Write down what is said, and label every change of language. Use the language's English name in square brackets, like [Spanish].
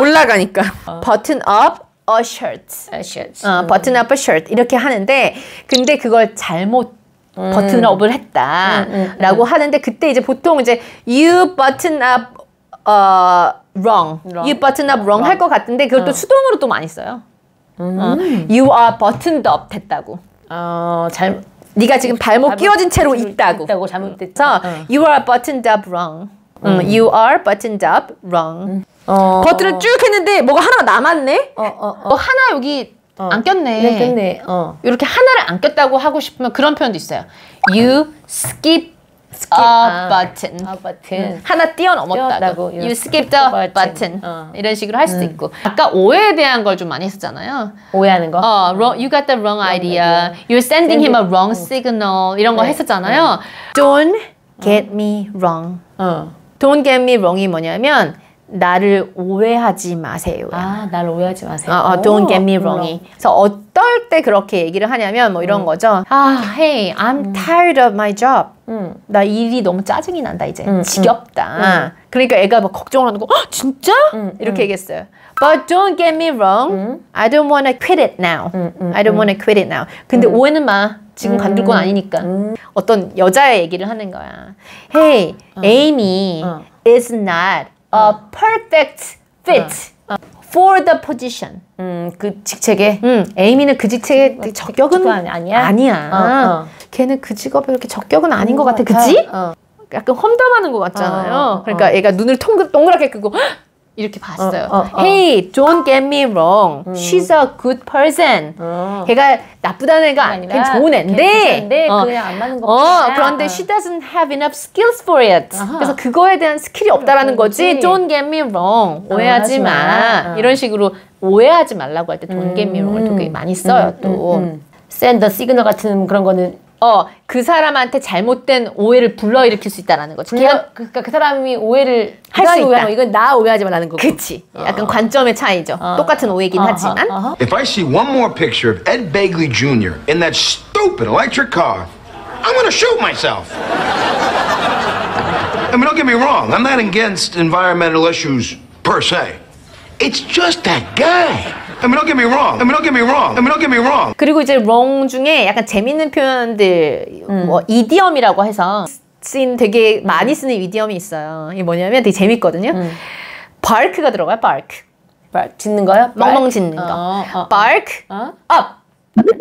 [Korean] 올라가니까. 버튼 업 [English] a shirt. A shirt. [Korean] 버튼 업 [English] a shirt [Korean] 이렇게 하는데 근데 그걸 잘못 버튼 업을 했다. 라고 하는데 그때 이제 보통 이제 [English] you button up wrong. You button up wrong [Korean] 할 것 같은데 그걸 또 수동으로 또 많이 써요. [English] You are buttoned up [Korean] 됐다고. 잘 네가 지금 발목 끼워진 채로 있다고. 있다고 잘못됐다. [English] You are buttoned up wrong. You are buttoned up wrong. [Korean] 버튼을 쭉 했는데 뭐가 하나가 남았네. 하나 여기 안 꼈네. 네, 꼈네. 이렇게 하나를 안 꼈다고 하고 싶으면 그런 표현도 있어요. [English] You skip a button. A button. [Korean] 하나 뛰어넘었다고. [English] You skipped a button. [Korean] 이런 식으로 할 수도 있고. 아까 오해에 대한 걸 좀 많이 했었잖아요. 오해하는 거? [English] You got the wrong idea. You're sending him a wrong signal. [Korean] 이런 거 했었잖아요. [English] Don't get me wrong. Don't get me wrong [Korean] 이 뭐냐면 나를 오해하지 마세요. 아, 나를 오해하지 마세요. [English] Don't get me wrong. [Korean] 그래서 어떨 때 그렇게 얘기를 하냐면 뭐 이런 거죠. [English] Hey, I'm tired of my job. [Korean] 나 일이 너무 짜증이 난다 이제. 지겹다. 그러니까 애가 막 걱정을 하는 거. 아, 진짜? 이렇게 얘기했어요. [English] But don't get me wrong. I don't want to quit it now. I don't want to quit it now. [Korean] 근데 오해는 마. 지금 관둘 건 아니니까. 어떤 여자의 얘기를 하는 거야. [English] Hey, Amy is not a perfect fit for the position. [Korean] 그 직책에. 에이미는 그 직책에 적격은 아니야. 아니야. 걔는 그 직업에 그렇게 적격은 아닌 것 같아. 그치? 약간 험담하는 것 같잖아요. 그러니까 얘가 눈을 동그랗게 끄고 이렇게 봤어요. [English] Hey, don't get me wrong. She's a good person. [Korean] 걔가 나쁘다는 애가 아니라 걔 좋은 애인데 그냥 안 맞는 거 같아. 그런데 [English] she doesn't have enough skills for it. [Korean] 그래서 그거에 대한 스킬이 없다라는 거지. [English] Don't get me wrong. [Korean] 오해하지 마. 이런 식으로 오해하지 말라고 할 때 [English] don't get me wrong [Korean] 을 되게 많이 써요. 또 [English] send the signal [Korean] 같은 그런 거는 그 사람한테 잘못된 오해를 불러일으킬 수 있다라는 거지. 그러니까 그 사람이 오해를 할 수 있다. 이건 나 오해하지 말라는 거고. 그치. 약간 관점의 차이죠. 똑같은 오해이긴 하지만. [English] If I see one more picture of Ed Begley Jr. in that stupid electric car, I'm gonna shoot myself. I mean, don't get me wrong. I'm not against environmental issues per se. It's just that guy. I mean, don't get me wrong. I mean, don't get me wrong. I mean, don't get me wrong. [Korean] 그리고 이제 wrong 중에 약간 재밌는 표현들, 뭐 idiom이라고 해서 씬 되게 많이 쓰는 이디엄이 있어요. 이게 뭐냐면 되게 재밌거든요. Bark가 들어가요. Bark. Bark. 짖는 거요? 멍멍 짖는 거. Bark. Up.